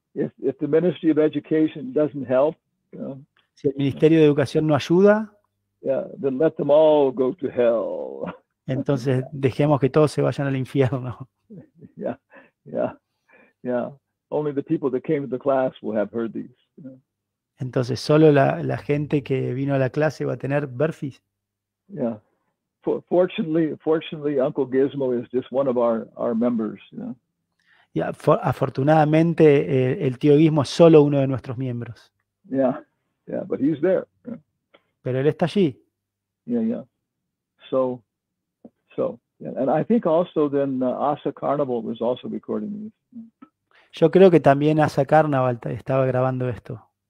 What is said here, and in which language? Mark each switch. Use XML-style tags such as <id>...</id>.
<en>If the Ministry of Education doesn't help, you know.</en> <es>Si el Ministerio de Educación no ayuda,</es> <en>Yeah, then let them all go to</en> <es>entonces dejemos que todos se vayan al infierno.</es> <en>hell. Yeah. Only the people that came to the class will have heard these. You</en> <es>Entonces, solo la gente que vino a la clase va a tener Berfis.</es> <en>know. Yeah. Fortunately, Uncle Gizmo is just one of our members, you know.</en> <es>Y afortunadamente, el tío Guismo es solo uno de nuestros miembros.</es> <en>Yeah, but he's there. Yeah.</en> <es>Pero él está allí.</es> <en>Yeah. So, yeah. And I think also then Asa Carnival was also recording these.</en> <es>Yo creo que también Asa Carnaval estaba grabando esto.</es>